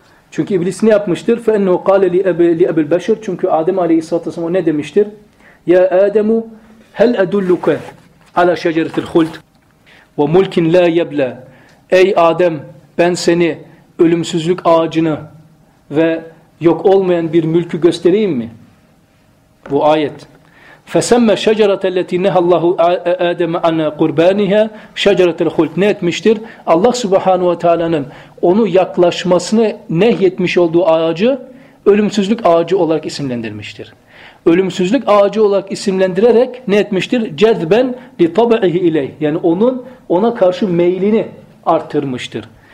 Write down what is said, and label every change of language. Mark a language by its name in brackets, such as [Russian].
[Turkish] Çünkü iblis ne yapmıştır? [Arabic] فَاَنْهُ قَالَ لِأَبِ الْبَشِرِ, [Turkish] çünkü Adem aleyhisselatü vesselam o ne demiştir? [Arabic] يَا آدَمُ هَلْ اَدُلُّكَ عَلَى شَجَرَةِ الْخُلْدِ وَمُلْكٍ لَا يَبْلَى. [Turkish] Ey Adem, ben seni ölümsüzlük ağacını ve yok olmayan bir mülkü göstereyim mi? Bu ayet. [Arabic] فَسَمَّ شَجَرَةَ الَّتِي نَهَى اللّٰهُ آدَمَ عَنَى قُرْبَانِهَا شَجَرَةَ الْخُلْدِ. [Turkish] Ne etmiştir? Allah Subhanahu ve Teala'nın onu yaklaşmasını nehyetmiş olduğu ağacı ölümsüzlük ağacı olarak isimlendirmiştir. Ölümsüzlük ağacı olarak isimlendirerek ne etmiştir? [Arabic] جَذْبًا لِطَبَعِهِ اِلَيْهِ, [Turkish] yani onun ona karşı meylini artırmıştır.